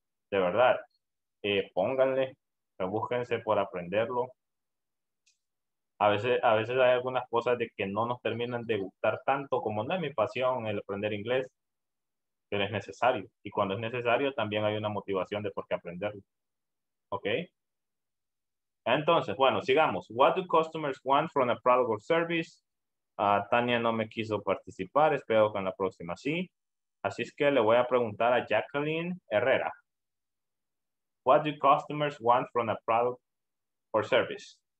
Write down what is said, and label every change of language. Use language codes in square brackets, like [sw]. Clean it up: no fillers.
[es] De verdad, pónganle, búsquense por aprenderlo. A veces hay algunas cosas de que no nos terminan de gustar tanto, como no es mi pasión el aprender inglés, pero es necesario. Y cuando es necesario, también hay una motivación de por qué aprenderlo. ¿Ok? Entonces, bueno, sigamos. [en] What do customers want from a product or service? [es] Tania no me quiso participar. Espero que en la próxima sí. Así es que le voy a preguntar a Jacqueline Herrera. [en] What do customers want from a product or service?